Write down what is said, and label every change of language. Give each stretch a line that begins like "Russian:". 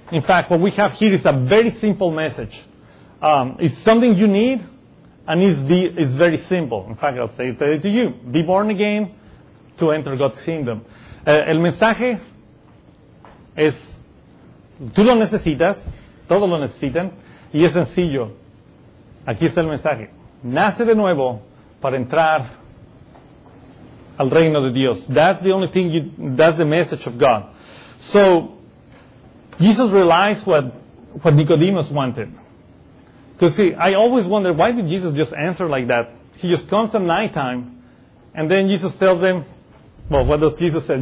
English: In fact, what we have here is a very simple message. It's something you need, and it's very simple. In fact, I'll say it to you. Be born again to enter God's kingdom.
Spanish: El mensaje es, tú lo necesitas, todos lo necesitan, y es sencillo. Aquí está el mensaje. Nace de nuevo para entrar al reino de Dios.
English: That's the only thing that's the message of God. So, Jesus realized what Nicodemus wanted. Because see, I always wonder, why did Jesus just answer like that? He just comes at nighttime, and then Jesus tells them, well, what does Jesus say?